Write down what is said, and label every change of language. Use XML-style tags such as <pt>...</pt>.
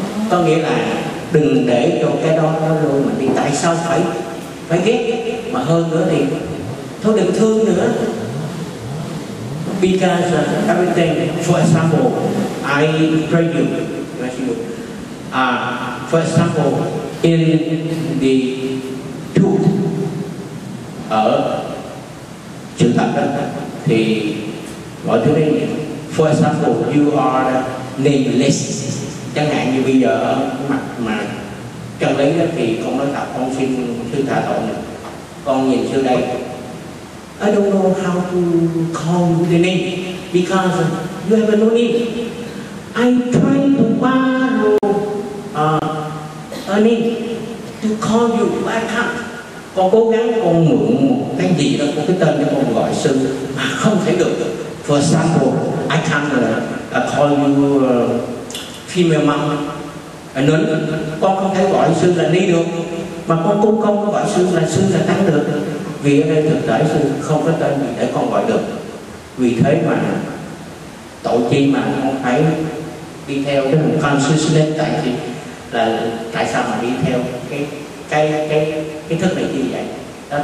<vi>Có nghĩa là đừng để cho cái đó nó lôi mình đi. Tại sao phải ghét mà hơn nữa thì thôi đừng thương nữa.</vi> <en>Because everything, for example, I pray you, bless you. For example, in the truth,</en> <vi>ở chữ thật đó thì mọi thứ đấy.</vi> <en>For example, you are nameless.</en> <vi>Chẳng hạn như bây giờ mặt mà chân lý đó thì con nói thật, con xin sư tha tội. Con nhìn sư đây.</vi> <en>I don't know how to call the name because you have no name. I try to borrow a name to call you, but I can't.</en> <vi>Con cố gắng con mượn cái gì đó, một cái tên cho con gọi sư mà không thể được.</vi> <en>For example, I can't call you female monk.</en> <vi>Nên con không thể gọi sư là ni được, mà con cũng không có gọi sư là tăng được. Vì ở đây thực tế sư không có tên gì để con gọi được. Vì thế mà tội chi mà con phải đi theo cái consciousness, tại vì là tại sao mà đi theo cái thức này như vậy đó.</vi>